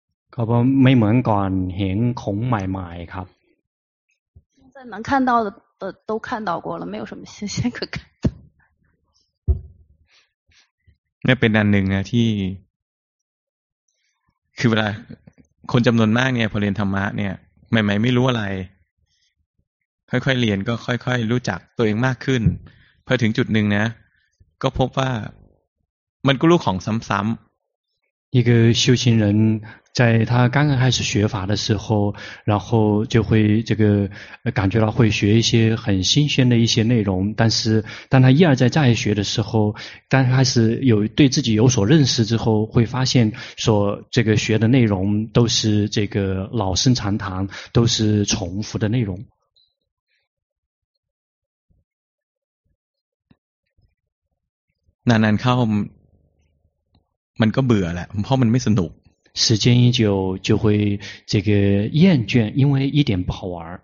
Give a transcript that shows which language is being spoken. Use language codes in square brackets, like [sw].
[zh] 可不，没 [th] เหมือนก่อนเห็นของใหม่ๆครับ。 [zh] 现在能看到的都看到过了，没有什么新鲜可看的。 [th] 那เป็นอันหนึ่งนะที่คือเวลาคนจำนวนมากเนี่ยพอเรียนธรรมะเนี่ยใหม่ๆไม่รู้อะไรค่อยๆเรียนก็ค่อยๆรู้จักตัวเองมากขึ้นพอถึงจุดหนึ่งนะก็พบว่ามันก็รู้ของซ้ำ [zh] ๆ一个修行人在他刚刚开始学法的时候然后就会这个感觉到会学一些很新鲜的一些内容但是当他一而再再学的时候当他开始有对自己有所认识之后会发现所这个学的内容都是这个老生常谈都是重复的内容 [th] นานๆเข้ามันก็เบื่อแหละเพราะมันไม่สนุก [zh] 时间一久就会这个厌倦因为一点不好玩